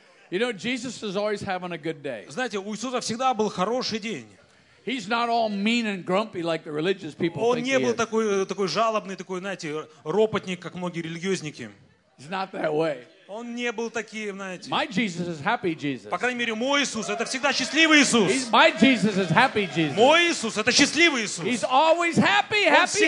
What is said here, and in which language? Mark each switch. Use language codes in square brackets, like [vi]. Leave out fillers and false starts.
[en] You know, Jesus is always having a good day. [ru] Знаете, у Иисуса всегда был хороший день. [en] He's not all mean and grumpy like the religious people think. [ru] Он не был такой жалобный, такой, знаете, ропотник, как многие религиозники. [en] He's not that way. [ru] Он не был таким, знаете. [en] My Jesus is happy Jesus. [ru] По крайней мере, мой Иисус это всегда счастливый Иисус. [en] My Jesus is happy Jesus. [ru] Мой Иисус это счастливый Иисус. [en] He's always happy, happy,